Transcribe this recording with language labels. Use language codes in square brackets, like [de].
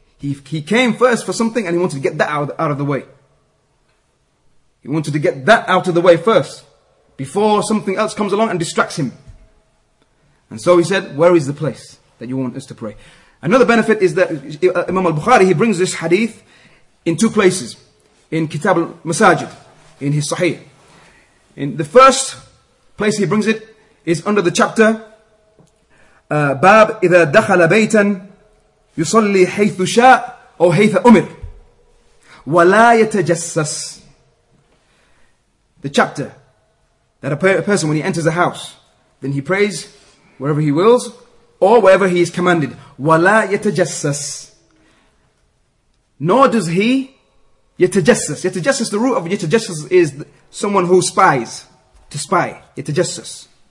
[en] He came first for something and he wanted to get that out of the way. He wanted to get that out of the way first, before something else comes along and distracts him. And so he said, where is the place that you want us to pray? Another benefit is that Imam al-Bukhari, he brings this hadith in two places. In Kitab al-Masajid, in his Sahih. In the first place he brings it is under the chapter, [ar] باب إذا دخل بيتا يصلي حيث شاء أو حيث أمر ولا يتجسس. [en] The chapter that a person, when he enters a house, then he prays wherever he wills or wherever he is commanded. [ar] ولا يتجسس. [en] Nor does he يتجسس. يتجسس, the root of يتجسس is someone who spies, to spy. يتجسس.